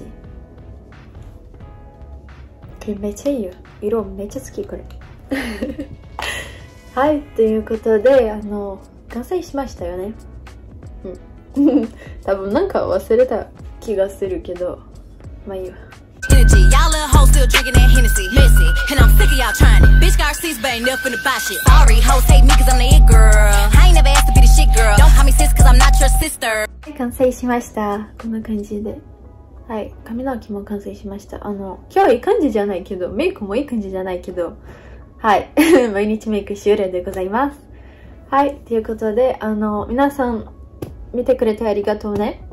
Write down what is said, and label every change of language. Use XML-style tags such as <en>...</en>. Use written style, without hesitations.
<ja>これめっちゃいいよ。色めっちゃ好きこれ。はい、ということで完成しましたよね。うん。多分なんか忘れた気がするけど、まあいいわ。</ja> <en>Y'all little hoes still drinking that Hennessy, messy, and I'm sick of y'all trying it. Bitch, Garcia's bad enough for the buy shit. Sorry, hoes hate me 'cause I'm the it girl. I ain't never asked to be the shit girl. Don't call me sis 'cause I'm not your sister.</en> <ja>完成しました。こんな感じで、はい、髪の毛も完成しました。今日いい感じじゃないけど、メイクもいい感じじゃないけど、はい、毎日メイク終了でございます。はい、ということで皆さん見てくれてありがとうね。</ja>